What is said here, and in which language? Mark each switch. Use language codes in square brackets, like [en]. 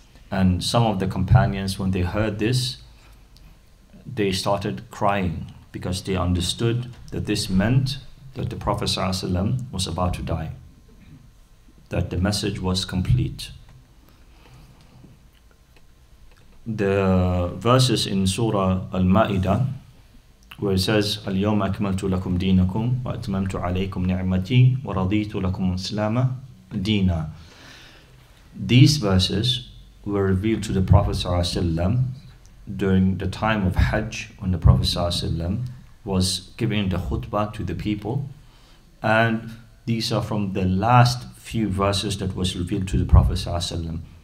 [en] And some of the companions, when they heard this, they started crying because they understood that this meant that the Prophet ﷺ was about to die, that the message was complete. The verses in Surah Al-Ma'idah, where it says, [ar] الْيَوْمَ أَكْمَلْتُ لَكُمْ دِينَكُمْ وَأَتْمَمْتُ عَلَيْكُمْ نِعْمَتِي وَرَضِيتُ لَكُمْ إِسْلَامَ دِينًا. [en] These verses were revealed to the Prophet ﷺ during the time of Hajj, when the Prophet ﷺ was giving the khutbah to the people. And these are from the last few verses that was revealed to the Prophet ﷺ.